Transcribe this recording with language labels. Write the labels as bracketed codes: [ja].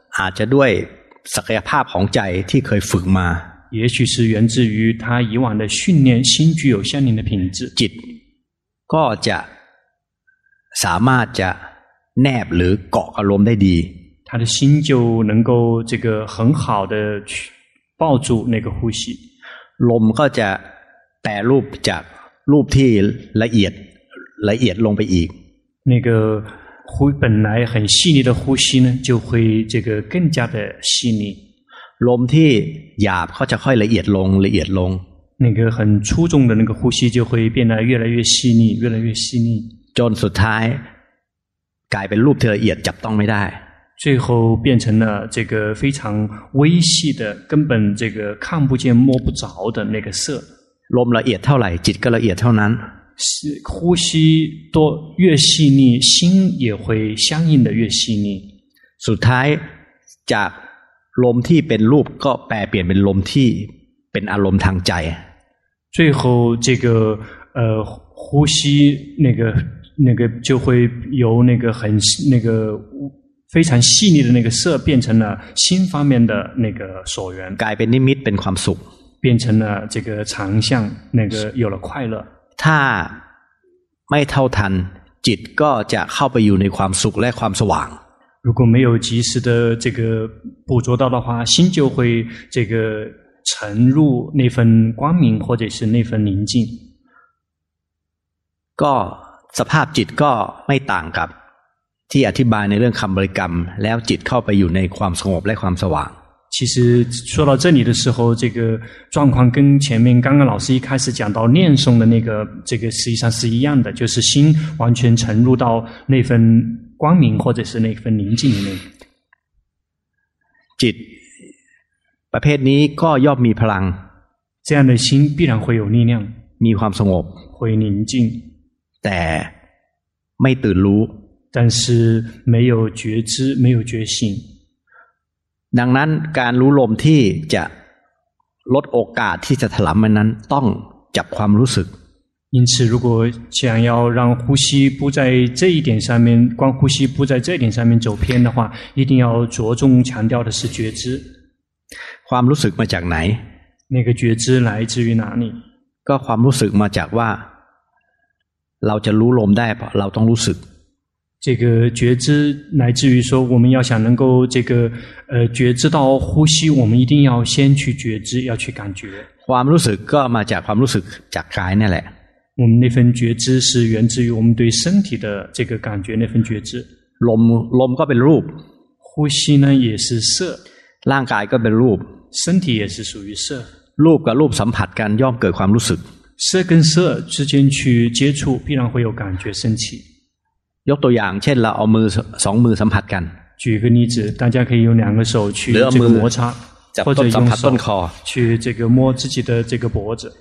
[th] อาจจะด้วยศักยภาพของใจที่เคยฝึกมา [zh] 也许是源自于他以往的训练心具有相应的品质 [th] จิตก็จะสามารถจะแนบหรือเกาะอารมณ์ได้ดี [zh] 他的心就能够这个很好的去抱住那个呼吸 [th] ลมก็จะแปรรูปจากรูปที่ละเอียดลงไปอีก [zh] 那个呼本来很细腻的呼吸呢就会这个更加的细腻 [th] ลมที่หยาบก็จะค่อยละเอียดลง [zh] 那个很粗重的那个呼吸就会变得越来越细腻越来越细腻 [th] จนสุดท้ายกลายเป็นรูปที่ละเอียดจับต้องไม่ได้ [zh] 最后变成了这个非常微细的根本这个看不见摸不着的那个色 [th] ลมละเอียดเท่าไหร่จิตก็ละเอียดเท่านั้น [zh] 呼吸多越细腻心也会相应的越细腻 [th] สุดท้ายจากลมที่เป็นรูปก็แปรเปลี่ยนเป็นลมที่เป็นอารมณ์ทางใจ [zh] 最后这个呼吸那个就会由那个很那个非常细腻的那个色变成了心方面的那个所缘 [th] กลายเป็นนิมิตเป็นความสุข [zh] 变成了这个常相那个有了快乐 [th] ถ้าไม่เท่าทันจิตก็จะเข้าไปอยู่ในความสุขและความสว่าง [zh] 如果没有及时的这个捕捉到的话心就会这个沉入那份光明或者是那份宁静 [th] ก็สภาพจิตก็ไม่ต่างกับที่อธิบายในเรื่องคำบริกรรมแล้วจิตเข้าไปอยู่ในความสงบและความสว่าง [zh] 其实说到这里的时候这个状况跟前面刚刚老师一开始讲到念诵的那个这个实际上是一样的就是心完全沉入到那份光明或者是那份宁静里面 [th] จิตประเภทนี้ก็ย่อมมีพลัง [zh] 这样的心必然会有力量 [th] มีความสงบ [zh] 会宁静 [th] แต่ไม่ตื่นรู้ [zh] 但是没有觉知没有觉醒 [th] ดังนั้นการรู้ลมที่จะลดโอกาสที่จะถลำมันนั้นต้องจับความรู้สึก [zh] 因此如果想要让呼吸不在这一点上面光呼吸不在这一点上面走偏的话一定要着重强调的是觉知 [th] ความรู้สึกมาจากไหน [zh] 那个觉知来自于哪里 [th] ก็ความรู้สึกมาจากว่าเราจะรู้ลมได้เพราะเราต้องรู้สึก [zh] 这个觉知乃至于说我们要想能够这个觉知到呼吸我们一定要先去觉知要去感觉 [th] ความรู้สึกก็มาจากความรู้สึกจากกายนั่นแหละ [zh] 我们那份觉知是源自于我们对身体的这个感觉那份觉知 [th] ลมก็เป็นรูป [zh] 呼吸呢也是色 [th] ร่างกายก็เป็นรูป [zh] 身体也是属于色 [th] รูปกับรูปสัมผัสกันย่อมเกิดความรู้สึก [zh] 色跟色之间去接触必然会有感觉升起 [th] ยกตัวอย่างเช่นเราเอามือสองมือสัมผัสกัน [zh] 举个例子大家可以用两个手去这个摩擦或者用手去这个摸自己的这个脖子